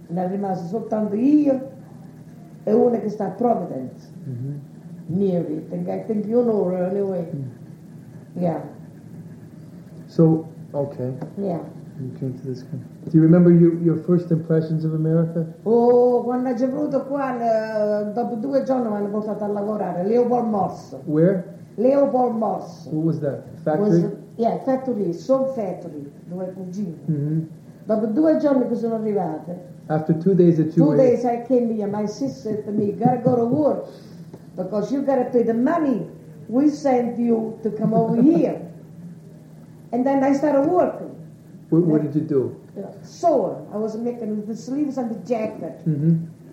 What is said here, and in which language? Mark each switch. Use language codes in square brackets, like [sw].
[it] Ne è rimasto soltanto io e una che sta a Providence. Mm-hmm. [en] Near it. And I think you know her anyway. Mm. Yeah. So, okay. Yeah. You came to this country. Do you remember your first impressions of America? [it] Oh, quando è venuto qua, dopo due giorni mi hanno portato a lavorare. [en] Leopold Morse. Where? Leopold Morse. Who was that? Factory? Yeah, factory. Some factory. [it] Due cugini. Mm-hmm. Dopo due giorni che sono arrivate. [en] After 2 days at two days I came here. My sister said to me, gotta go to work. Because you gotta pay the money we sent you to come over here. And then I started working. What did you do? Sewing. I was making the sleeves and the jacket. Mm-hmm.